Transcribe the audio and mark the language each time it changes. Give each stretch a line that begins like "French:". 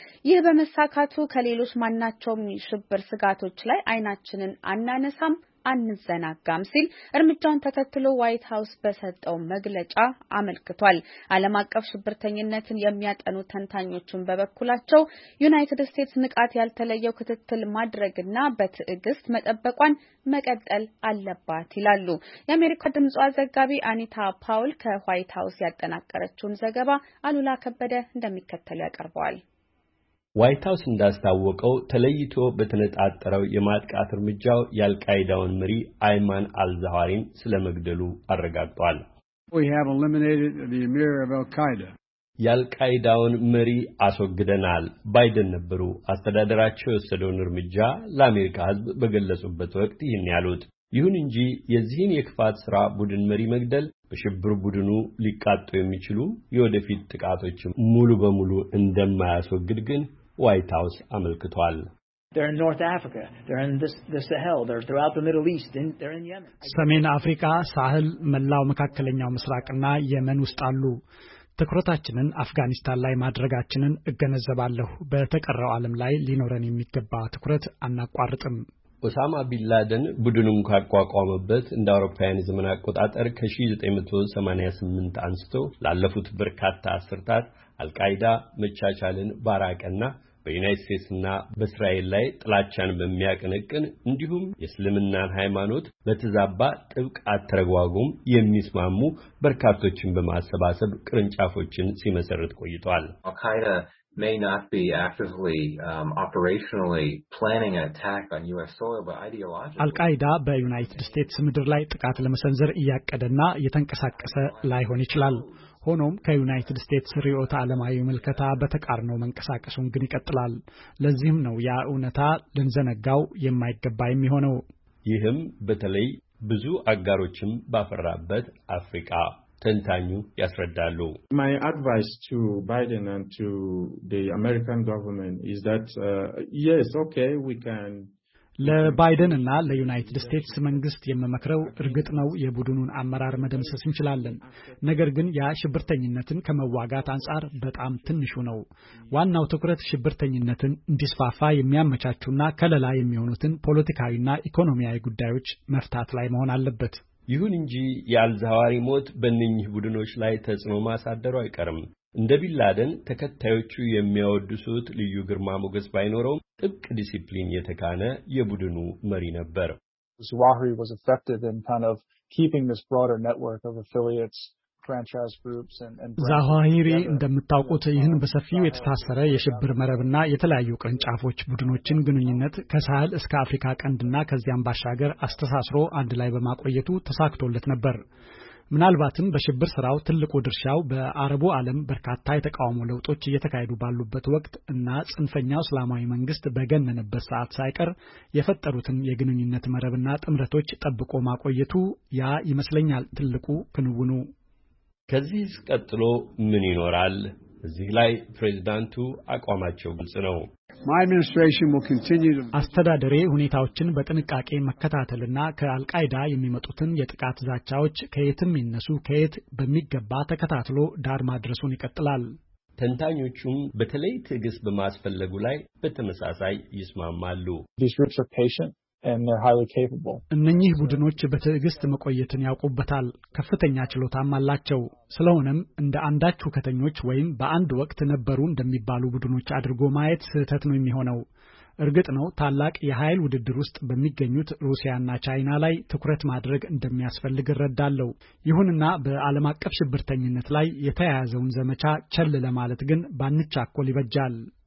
Amharic: ይህ በመሳካቱ ከሌሎች ማናቸውም ሽብር ስጋቶች ላይ አይናችንን አናነሳም አንዘናጋም ሲል እርምጃውን ተከትሎ ዋይት ሃውስ በሰጠው መግለጫ አመልክቷል። ዓለም አቀፍ ሽብርተኝነትን የሚያጠኑ ተንታኞችም በበኩላቸው ዩናይትድ ስቴትስ ንቃት ያልተለየው ክትትል ማድረግና በትዕግስት መጠበቋን መቀጠል አለባት ይላሉ። የአሜሪካ ድምጽ ዘጋቢ አኒታ ፓውል ከዋይት ሃውስ ያጠናቀረችውን ዘገባ አሉላ ከበደ እንደሚከተለው ያቀርባል። ዋይት ሃውስ እንዳስታወቀው ተለይቶ በተነጣጠረው የማጥቃት ርምጃው የአልቃይዳውን መሪ አይማን አልዛዋሪን ስለመግደሉ አረጋግጧል።
English: We have eliminated the emir of al-Qaeda.
Amharic: የአልቃይዳውን መሪ አስወግደናል ባይደን ነበሩ አስተዳደራቸው የወሰደውን ርምጃ ለአሜሪካ ህዝብ በገለጹበት ወቅት ይህን ያሉት። ይሁን እንጂ የዚህን የክፋት ሥራ ቡድን መሪ መግደል በሽብር ቡድኑ ሊቃጡ የሚችሉ የወደፊት ጥቃቶች ሙሉ በሙሉ እንደማያስወግድ ግን ዋይት ሃውስ አመልክቷል።
English: They're in North Africa, they're in the Sahel, they're throughout the Middle East, they're in Yemen.
Amharic: ሰሜን አፍሪካ፣ ሳህል፣ መላው መካከለኛው ምስራቅና የመን ውስጥ አሉ። ትኩረታችንን አፍጋኒስታን ላይ ማድረጋችንን እገነዘባለሁ። በተቀረው ዓለም ላይ ሊኖረን የሚገባ ትኩረት አናቋርጥም። ኦሳማ ቢላደን ቡድኑን ካቋቋመበት እንደ አውሮፓውያን ዘመን አቆጣጠር ከ1988 አንስቶ ላለፉት በርካታ አስርታት አልቃይዳ መቻቻልን ባራቀና በዩናይትድ ስቴትስና በእስራኤል ላይ ጥላቻን በሚያቀነቅን እንዲሁም የእስልምናን ሃይማኖት በተዛባ ጥብቅ አተረጓጎም የሚስማሙ በርካቶችን በማሰባሰብ ቅርንጫፎችን ሲመሰርት ቆይቷል።
English: may not be actively operationally planning an attack on US soil but ideologically
Amharic: Al-Qaeda በዩናይትድ ስቴትስ ምድር ላይ ጥቃት ለመሰንዘር ያቀደና የተንቀሳቀሰ ላይሆን ይችላል። ሆኖም ከዩናይትድ ስቴትስ ሪዮት ዓለማዊ መልከታ በተቃርነው መንቀሳቀሱን ግን ይቀጥላል። ለዚህም ነው ያ ዑነታ ለንዘነጋው የማይገባ የሚሆነው። ይህም በተለይ ብዙ አጋሮችም ባፈራበት አፍሪካ ተንታኙ ያስረዳሉ።
English: My advice to Biden and to the American government is that yes, okay, we can
Amharic: ለባይደን እና ለዩናይትድ ስቴትስ መንግስት የመመክረው እርግጥ ነው የቡድኑን አመራር መደምሰስ እንችላለን። ነገር ግን ያ ሽብርተኝነትን ከመዋጋት አንጻር በጣም ትንሹ ነው። ዋናው ትኩረት ሽብርተኝነትን እንዲስፋፋ የሚያመቻቹና ከለላ የሚሆኑትን ፖለቲካዊና ኢኮኖሚያዊ ጉዳዮች መፍታት ላይ መሆን አለበት። ይሁን እንጂ ያልዛዋሪ ሞት በእነኚህ ቡድኖች ላይ ተጽዕኖ ማሳደሩ አይቀርም። እንደ ቢላደን ተከታዮቹ የሚያወድሱት ልዩ ግርማ ሞገስ ባይኖረውም ጥብቅ ዲሲፕሊን የተካነ የቡድኑ መሪ ነበር።
English: Zawahiri was effective in kind of keeping this broader network of affiliates, franchise groups and
Amharic: Zawahiri እንደምታውቁት ይህን በሰፊው የተታሰረ የሽብር መረብና የተለያዩ ቅርንጫፎች ቡድኖችን ግንኙነት ከሳህል እስከ አፍሪካ ቀንድና ከዚያም ባሻገር አስተሳስሮ አንድ ላይ በማቆየቱ ተሳክቶለት ነበር። ምናልባትም በሽብር ስራው ትልቁ ድርሻው በአረቡ ዓለም በርካታ የተቃውሞ ለውጦች እየተካሄዱ ባሉበት ወቅት እና ጽንፈኛው እስላማዊ መንግስት በገነነበት ሰዓት ሳይቀር የፈጠሩትን የግንኙነት መረብና ጥምረቶች ጠብቆ ማቆየቱ ያ ይመስለኛል ትልቁ ክንውኑ። ከዚህስ ቀጥሎ ምን ይኖራል? እዚህ ላይ ፕሬዝዳንቱ አቋማቸው ግልጽ ነው።
English: My administration will continue to
Amharic: አስተዳደሬ ሁኔታዎችን በጥንቃቄ መከታተልና ከአልቃይዳ የሚመጡትን የጥቃት ዛቻዎች ከየትም ይነሱ ከየት በሚገባ ተከታትሎ ዳር ማድረሱን ይቀጥላል። ተንታኞቹም በተለይ ትግስ በማስፈልጉ ላይ በተመሳሳይ ይስማማሉ።
English: These groups are patient and they're highly capable.
Amharic: እነኚህ ቡድኖች በትዕግስት መቆየትን ያውቁበታል። ከፍተኛ ችሎታም አላቸው። ስለሆነም እንደ አንዳች ሁከተኞች ወይም በአንድ ወቅት ነበሩ እንደሚባሉ ቡድኖች አድርጎ ማየት ስህተት ነው የሚሆነው። እርግጥ ነው ታላቅ የኃይል ውድድር ውስጥ በሚገኙት ሩሲያና ቻይና ላይ ትኩረት ማድረግ እንደሚያስፈልግ ረዳለው። ይሁንና በዓለም አቀፍ ሽብርተኝነት ላይ የተያያዘውን ዘመቻ ቸል ለማለት ግን ባንቻኮል ይበጃል።